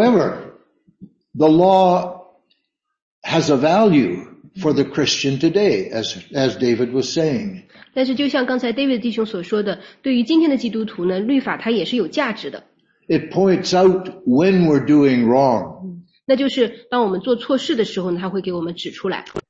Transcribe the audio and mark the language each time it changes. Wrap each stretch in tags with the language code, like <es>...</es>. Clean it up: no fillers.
<en>However, the law has a value. For the Christian today, as David was saying.</en> <zh>但是就像刚才 David 弟兄所说的，对于今天的基督徒呢，律法它也是有价值的。</zh> <en>It points out when we're doing wrong.</en> <zh>那就是当我们做错事的时候呢，它会给我们指出来。</zh>